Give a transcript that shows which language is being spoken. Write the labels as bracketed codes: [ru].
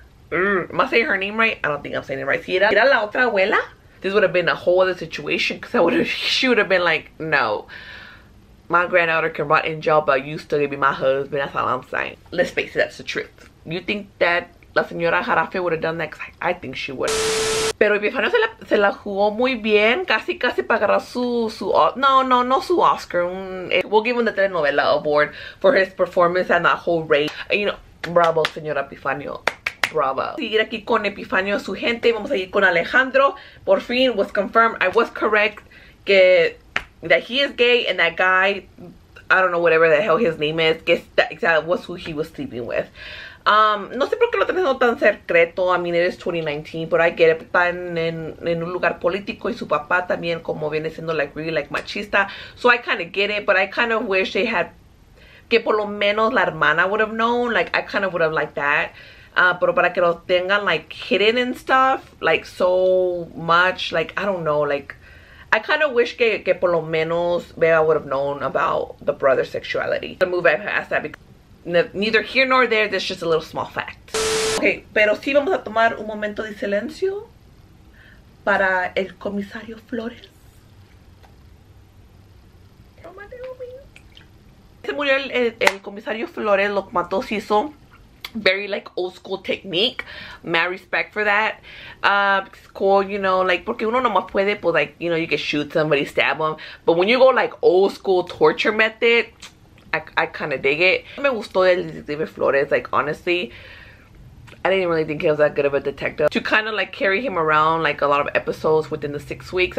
[en] Am I saying her name right? I don't think I'm saying it right. [es] Si era la otra abuela, [en] this would have been a whole other situation because she would have been like, no, my granddaughter can rot in jail, but you still give me my husband. That's all I'm saying. Let's face it, that's the truth. You think that la señora Jarafe would have done that? Because I think she would. [es] Pero Epifanio se la jugó muy bien, casi para agarrar su no su Oscar. [en] We'll give him the telenovela award for his performance and that whole race. You know, [es] bravo, señora Epifanio. Bravo. Seguir aquí con Epifanio, su gente. Vamos a ir con Alejandro. Por fin, [en] was confirmed. I was correct. Que, that he is gay. And that guy, I don't know whatever the hell his name is. Que that was who he was sleeping with. [es] No sé por qué lo tenés tan secreto. [en] I mean, it is 2019. But I get it. [es] Está en un lugar político. Y su papá también como viene siendo [en] like really like machista. So I kind of get it. But I kind of wish they had. [es] Que por lo menos la hermana [en] would have known. Like, I kind of would have liked that. [es] Pero para que lo tengan, [en] like, hidden and stuff, like, so much, like, I don't know, like, I kind of wish [es] que por lo menos [en] Bea would have known about the brother's sexuality. The move I passed that, because neither here nor there, that's just a little small fact. [es] Okay, pero sí vamos a tomar un momento de silencio para el comisario Flores. Se murió el comisario Flores, lo mató Ciso. [en] Very like old school technique, mad respect for that. It's cool, you know, like, [es] porque uno no más puede, pues, [en] like, you know, you can shoot somebody, stab them, but when you go like old school torture method, I kind of dig it. [es] Me gustó el detective Flores, [en] like, honestly, I didn't really think he was that good of a detective to kind of like carry him around like a lot of episodes within the 6 weeks.